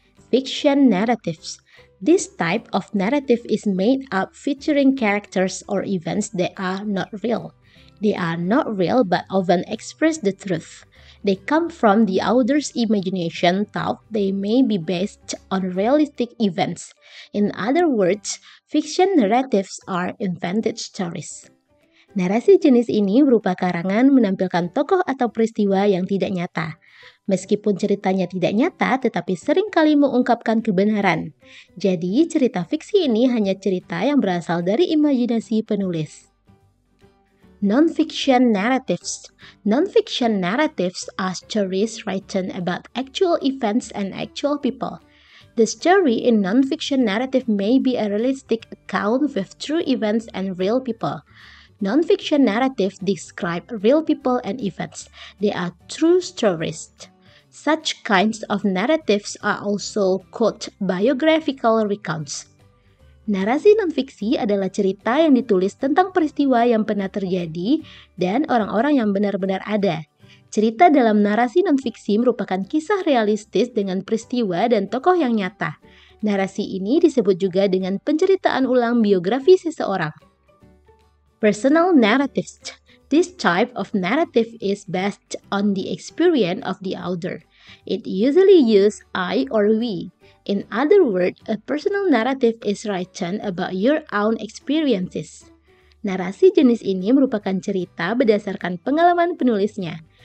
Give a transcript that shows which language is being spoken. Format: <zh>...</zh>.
<en>Fiction narratives. This type of narrative is made up featuring characters or events that are not real. They are not real but often express the truth. They come from the author's imagination, though they may be based on realistic events. In other words, fiction narratives are invented stories.</en> <id>Narasi jenis ini berupa karangan menampilkan tokoh atau peristiwa yang tidak nyata. Meskipun ceritanya tidak nyata, tetapi seringkali mengungkapkan kebenaran. Jadi, cerita fiksi ini hanya cerita yang berasal dari imajinasi penulis.</id> <en>Non-fiction narratives. Non-fiction narratives are stories written about actual events and actual people. The story in non-fiction narrative may be a realistic account with true events and real people. Non-fiction narratives describe real people and events. They are true stories. Such kinds of narratives are also called biographical recounts.</en> <id>Narasi non-fiksi adalah cerita yang ditulis tentang peristiwa yang pernah terjadi dan orang-orang yang benar-benar ada. Cerita dalam narasi non-fiksi merupakan kisah realistis dengan peristiwa dan tokoh yang nyata. Narasi ini disebut juga dengan penceritaan ulang biografi seseorang.</id> <en>Personal narratives. This type of narrative is based on the experience of the author. It usually uses I or we. In other words, a personal narrative is written about your own experiences.</en> <id>Narasi jenis ini merupakan cerita berdasarkan pengalaman penulisnya.</id>